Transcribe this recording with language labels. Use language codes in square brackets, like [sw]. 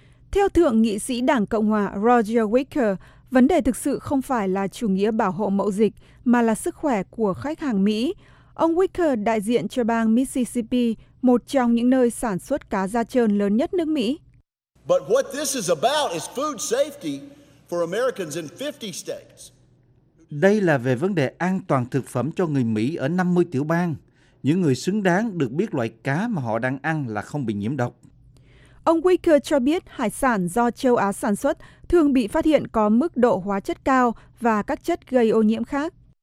[vi] Theo thượng nghị sĩ Đảng Cộng hòa Roger Wicker, vấn đề thực sự không phải là chủ nghĩa bảo hộ mậu dịch, mà là sức khỏe của khách hàng Mỹ. Ông Wicker đại diện cho bang Mississippi, một trong những nơi sản xuất cá da trơn lớn nhất nước Mỹ. [en] But what this is about is food safety for Americans in 50 states. [vi] Đây là về vấn đề an toàn thực phẩm cho người Mỹ ở 50 tiểu bang, những người xứng đáng được biết loại cá mà họ đang ăn là không bị nhiễm độc. Ông Wicker cho biết hải sản do châu Á sản xuất thường bị phát hiện có mức độ hóa chất cao và các chất gây ô nhiễm khác.